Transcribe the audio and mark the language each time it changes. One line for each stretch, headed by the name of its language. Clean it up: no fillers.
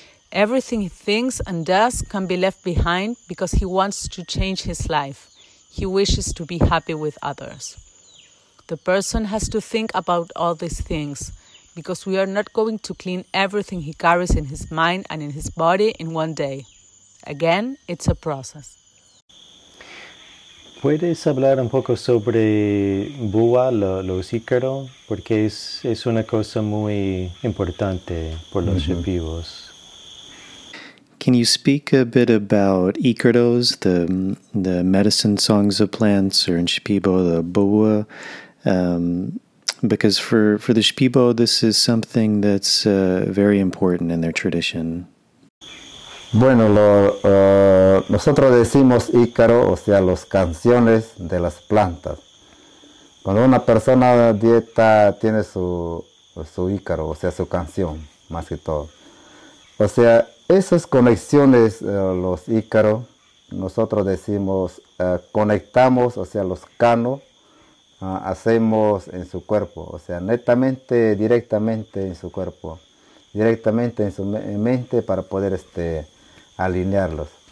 English: Everything he thinks and does can be left behind because he wants to change his life. He wishes to be happy with others. The person has to think about all these things because we are not going to clean everything he carries in his mind and in his body in one day. Again, it's a process.
Spanish: ¿Puedes hablar un poco sobre Búa, los Ícaro? Porque es una cosa muy importante por los Shipibos.
English: Can you speak a bit about Ícaros, the medicine songs of plants, or in Shipibo, the Búa? Because for the Shipibo, this is something that's very important in their tradition.
Spanish: Bueno, nosotros decimos Ícaro, o sea, las canciones de las plantas. Cuando una persona dieta tiene su Ícaro, o sea, su canción, más que todo. O sea, esas conexiones, los Ícaro, nosotros decimos, conectamos, o sea, los canos, hacemos en su cuerpo, o sea, netamente, directamente en su cuerpo, directamente en su mente para poder, alinearlos.